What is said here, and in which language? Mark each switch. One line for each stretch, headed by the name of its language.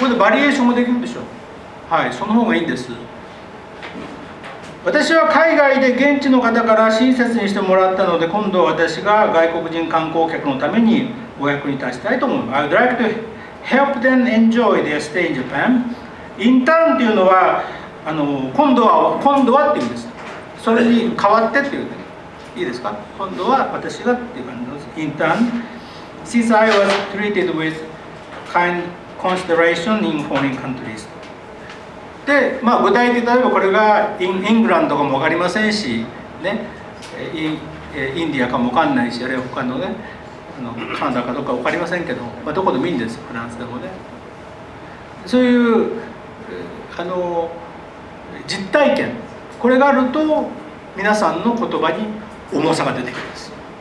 Japanese: これでバリエーションもできるでしょ。はい、その方がいいんです。私は海外で現地の方から親切にしてもらったので、今度は私が外国人観光客のためにお役に立ちたいと思います。
English: I would like to help them enjoy their stay in Japan.
Japanese: インターンっていうのは、あの今度はっていうんです。それに変わってっていう、ね。いいですか？今度は私がっていう感じです。インターン。
English: Since I was treated with kind consideration in foreign countries.
Japanese: でまあ、具体的に例えばこれがイングランドかも分かりませんし、ね、インディアかも分かんないし、あるいは他のね、あのカナダかどうか分かりませんけど、まあ、どこでもいいんです、フランスでもね。そういうあの実体験、これがあると皆さんの言葉に重さが出てきます。